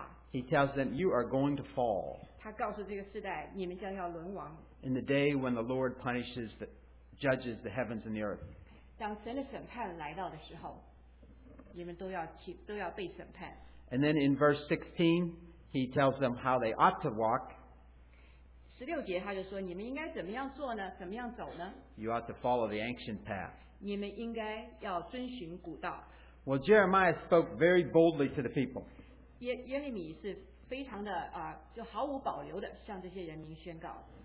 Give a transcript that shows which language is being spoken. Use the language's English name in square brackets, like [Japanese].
[English] he tells them, you are going to fall. [Chinese] 他告诉这个世代,你们将要沦亡, [English] in the day when the Lord punishes the judges the heavens and the earth. [Chinese] 当神的审判来到的时候, 你们都要被审判。 [English] And then in verse 16, he tells them how they ought to walk. [Chinese] 16节他就说, 你们应该怎么样做呢? 怎么样走呢? [English] You ought to follow the ancient path. [Chinese] 你们应该要遵循古道。 [English] Well, Jeremiah spoke very boldly to the people. [Chinese] 耶利米是非常的, 就毫无保留地向这些人民宣告。